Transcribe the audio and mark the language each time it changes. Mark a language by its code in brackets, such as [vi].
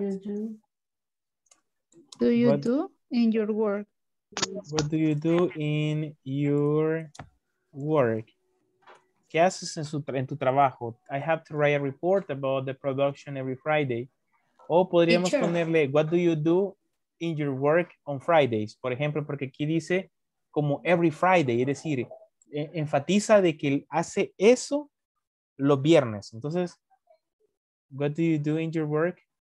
[en] do you do in your work? What do you do in your work? [es] ¿Qué haces en tu trabajo? [en] I have to write a report about the production every Friday. [es] O podríamos ponerle, [en] what do you do in your work on Fridays? [es] Por ejemplo, porque aquí dice como every Friday, es decir, enfatiza de que hace eso los viernes. Entonces, [en] what do you do in your work?